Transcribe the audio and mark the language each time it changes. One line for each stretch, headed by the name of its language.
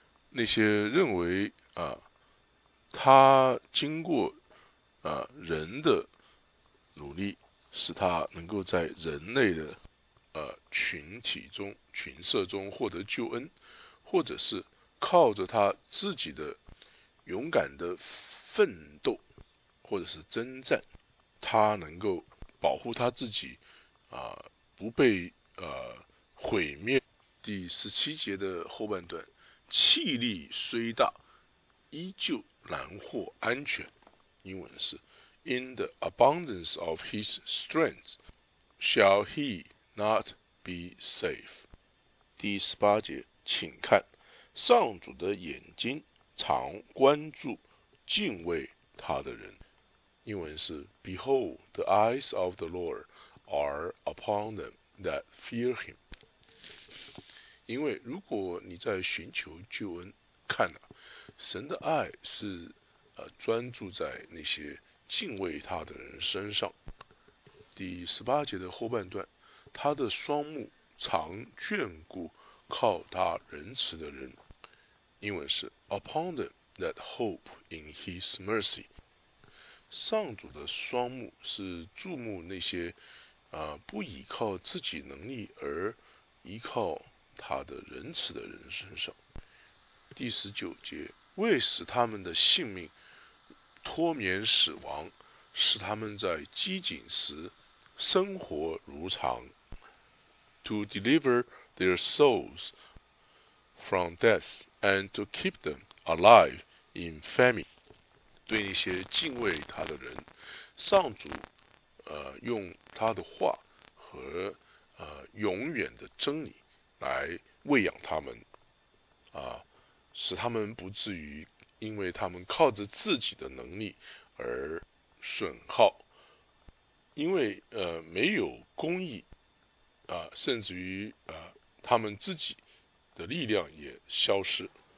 Chinese: 那些认为他经过人的努力使他能够在人类的群体中群社中获得救恩，或者是靠着他自己的勇敢的奋斗或者是征战，他能够保护他自己不被毁灭，第十七节的后半段，气力虽大，依旧难获安全。英文是
English: In the abundance of his strength, shall he not be safe?
Chinese: 第十八节，请看，上主的眼睛常关注敬畏他的人。英文是
English: Behold, the eyes of the Lord are upon them that fear him.
Chinese: 因为如果你在寻求救恩，看啊，神的爱是专注在那些敬畏他的人身上。第十八节的后半段，他的双目常眷顾靠他仁慈的人。英文是
English: Upon them that hope in his mercy.
Chinese: 上主的双目是注目那些不依靠自己能力而依靠他的仁慈的人身上。第十九节，为使他们的性命脱免死亡，使他们在饥馑时生活如常。
English: To deliver their souls from death and to keep them alive in famine.
Chinese: 对那些敬畏他的人，上主用他的话和永远的真理来喂养他们，使他们不至于因为他们靠着自己的能力而损耗，因为没有公义甚至于他们自己的力量也消失。